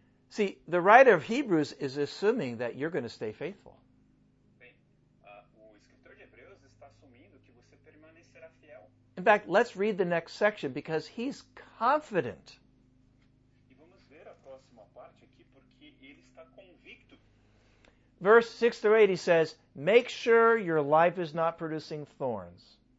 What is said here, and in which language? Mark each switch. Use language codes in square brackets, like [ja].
[en] See, the writer of Hebrews is assuming that you're going to stay faithful. [pt] Bem, o escritor de Hebreus está assumindo que você permanecerá fiel. [en] In fact, let's read the next section because he's confident. [pt] E vamos ver a próxima parte aqui porque ele está convicto. [en] Verse 6 through 8, he says, make sure your life is not producing thorns.